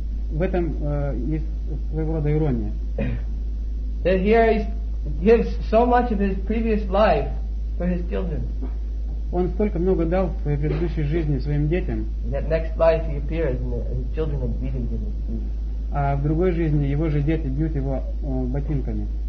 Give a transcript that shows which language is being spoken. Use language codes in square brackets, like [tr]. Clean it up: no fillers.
[ru] В этом есть своего рода ирония. [en] That here he gives so much of his previous life for his children. [ru] Он столько много дал в своей предыдущей жизни своим детям. [en] That next life he appears and his children are beating him with shoes. [ru] А в другой жизни его же дети бьют его ботинками.